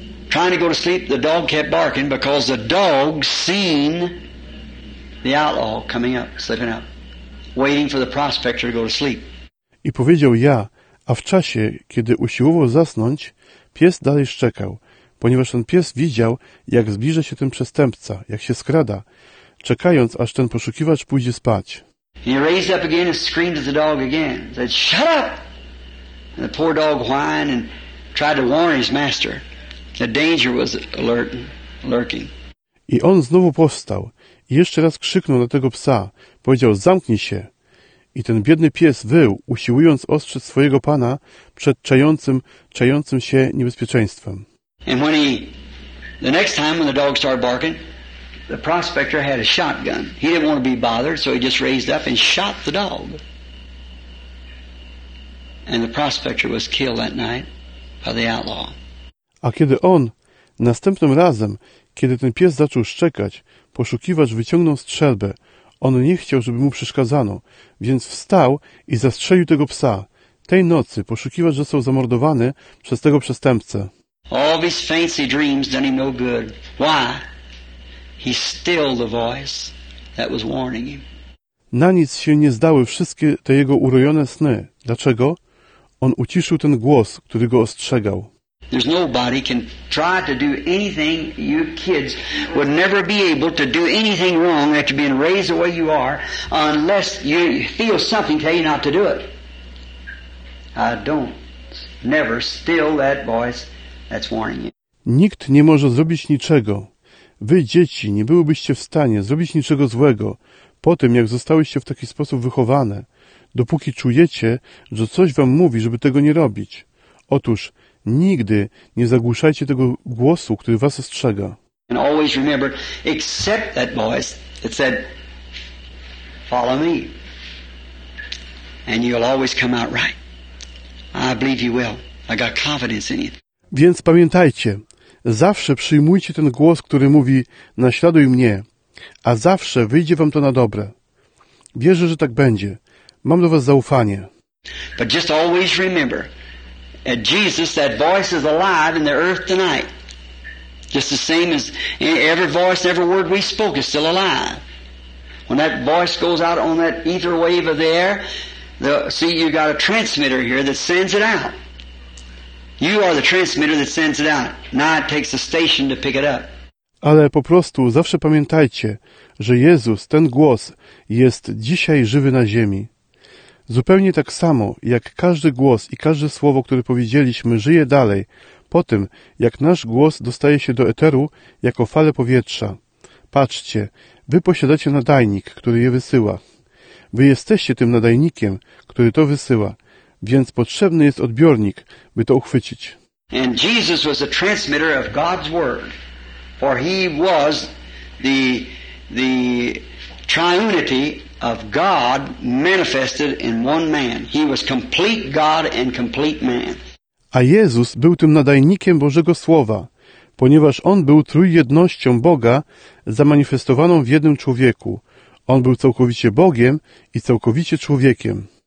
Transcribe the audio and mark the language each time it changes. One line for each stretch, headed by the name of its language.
English: Trying to go to sleep, the dog kept barking because the dog seen the outlaw coming up, slipping up, waiting for the prospector to go to sleep.
Polish: I powiedział ja, a w czasie, kiedy usiłował zasnąć, pies dalej szczekał, ponieważ ten pies widział, jak zbliża się ten przestępca, jak się skrada, czekając, aż ten poszukiwacz pójdzie spać.
English: He raised up again and screamed at the dog again. He said, shut up! And the poor dog whined and tried to warn his master. The danger was lurking.
Polish: I on znowu powstał i jeszcze raz krzyknął na tego psa. Powiedział, zamknij się. I ten biedny pies wył, usiłując ostrzec swojego pana przed czającym się niebezpieczeństwem.
English: And when the next time when the dog started barking, the prospector had a shotgun. He didn't want to be bothered, so he just raised up and shot the dog. And the prospector was killed that night by the outlaw.
Polish: A kiedy on, następnym razem, kiedy ten pies zaczął szczekać, poszukiwacz wyciągnął strzelbę. On nie chciał, żeby mu przeszkadzano, więc wstał i zastrzelił tego psa. Tej nocy poszukiwacz został zamordowany przez tego przestępcę.
English: All these fancy dreams done him no good. Why? He stilled the voice that was warning him.
Polish: Na nic się nie zdały wszystkie te jego urojone sny. Dlaczego? On uciszył ten głos, który go ostrzegał.
English: There's nobody can try to do anything. You kids would never be able to do anything wrong after being raised the way you are unless you feel something tell you not to do it. I don't. Never still that voice that's warning you.
Polish: Nikt nie może zrobić niczego. Wy, dzieci, nie byłybyście w stanie zrobić niczego złego po tym, jak zostałyście w taki sposób wychowane, dopóki czujecie, że coś wam mówi, żeby tego nie robić. Otóż, nigdy nie zagłuszajcie tego głosu, który was ostrzega.
English: And always remember, except that voice that said, follow me, and you'll always come out right. I believe you will. I got confidence in you.
Polish: Więc pamiętajcie, zawsze przyjmujcie ten głos, który mówi, naśladuj mnie, a zawsze wyjdzie wam to na dobre. Wierzę, że tak będzie. Mam do was zaufanie.
English: But just always remember, at Jesus, that voice is alive in the earth tonight. Just the same as every voice, every word we spoke is still alive. When that voice goes out on that ether wave of the air, see, you got a transmitter here that sends it out. You are the transmitter that sends it out. Now it takes a station to pick it up.
Polish: Ale po prostu zawsze pamiętajcie, że Jezus, ten głos, jest dzisiaj żywy na ziemi. Zupełnie tak samo, jak każdy głos i każde słowo, które powiedzieliśmy, żyje dalej, po tym, jak nasz głos dostaje się do eteru jako fale powietrza. Patrzcie, wy posiadacie nadajnik, który je wysyła. Wy jesteście tym nadajnikiem, który to wysyła, więc potrzebny jest odbiornik, by to uchwycić.
English: And Jesus was the transmitter of God's word, for he was the triunity of God manifested in one man. He was complete God and complete man.
Polish: A Jezus był tym nadajnikiem Bożego Słowa, ponieważ On był trójjednością Boga zamanifestowaną w jednym człowieku. On był całkowicie Bogiem i całkowicie człowiekiem.